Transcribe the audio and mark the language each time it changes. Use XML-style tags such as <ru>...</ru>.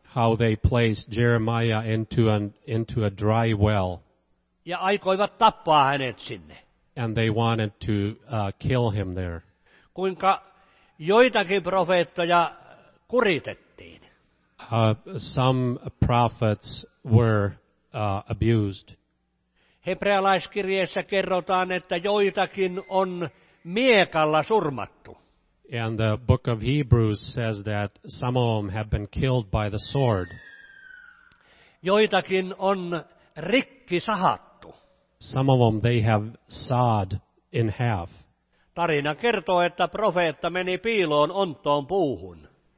<en>How they placed Jeremiah into a dry well.</en> <fi>Ja aikoivat tappaa hänet sinne.</fi> <en>And they wanted to kill him there.</en> <fi>Kuinka joitakin profeettoja kuritettiin.</fi> <en>Some prophets were abused.</en> <fi>Hebrealaiskirjeessä kerrotaan, että joitakin on miekalla surmattu.</fi> <en>And the book of Hebrews says that some of them have been killed by the sword.</en> <fi>Joitakin on rikki sahattu.</fi> <en>Some of them they have sawed in half.</en> <fi>Tarina kertoo, että profeetta meni piiloon onttoon puuhun.</fi>